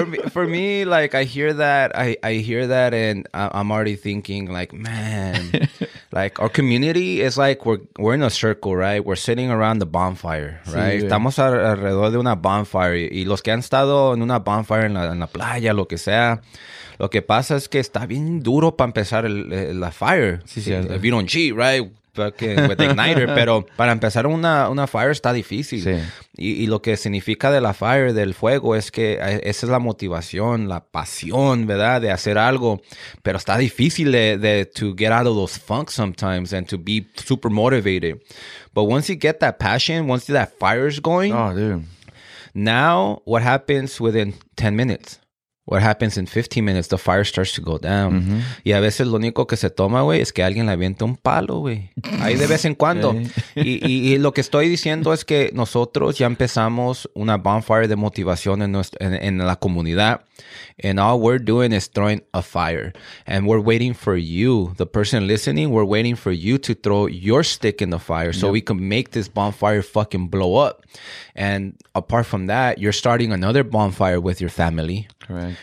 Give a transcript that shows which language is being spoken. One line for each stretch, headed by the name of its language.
English: for me, like, I hear that and I'm already thinking, like, man, like, our community is like, we're in a circle, right? We're sitting around the bonfire, right?
Spanish: Sí, estamos alrededor de una bonfire. Y los que han estado en una bonfire en la playa, lo que sea, lo que pasa es que está bien duro para empezar la fire. Sí, sí,
English: if you don't cheat, right? With igniter,
Spanish: pero para empezar una fire está difícil. Sí. Y lo que significa de la fire, del fuego, es que esa es la motivación, la pasión, ¿verdad? De hacer algo. Pero está difícil de
English: to get out of those funks sometimes and to be super motivated. But once you get that passion, once that fire is going, oh, dude. Now what happens within 10 minutes? What happens in 15 minutes, the fire starts to go down. Mm-hmm.
Spanish: Y a veces lo único que se toma, güey, es que alguien le avienta un palo, güey. Ahí de vez en cuando. y lo que estoy diciendo es que nosotros ya empezamos una bonfire de motivación en la comunidad.
English: And all we're doing is throwing a fire. And we're waiting for you, the person listening, we're waiting for you to throw your stick in the fire so we can make this bonfire fucking blow up. And apart from that, you're starting another bonfire with your family. Correct.